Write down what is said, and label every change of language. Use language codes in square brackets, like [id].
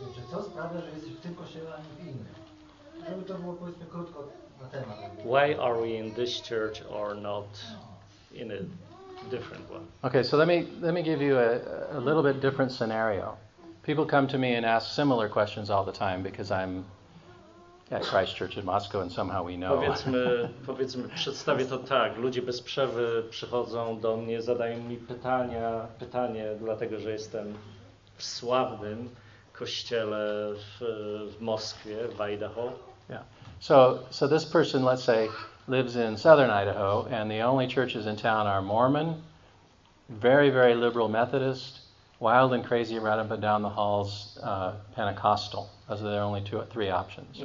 [pl] Co sprawia, że jesteś w tym kościele, a nie w innym? Żeby to było, powiedzmy, krótko na temat. [en] Why are we in this church or not in a different one? Okay, so let me give you a little bit different scenario. People come to me and ask similar questions all the time because I'm at Christ Church in Moscow and somehow we know. [pl] Powiedzmy, przedstawię to tak. Ludzie bez przerwy przychodzą do mnie, zadają mi pytanie, dlatego że jestem w sławnym kościele w Moskwie, w Idaho. [en] Yeah. So this person, let's say, lives in southern Idaho, and the only churches in town are Mormon, very, very liberal Methodist, wild and crazy, right up and down the halls, Pentecostal. Those are their only two or three options.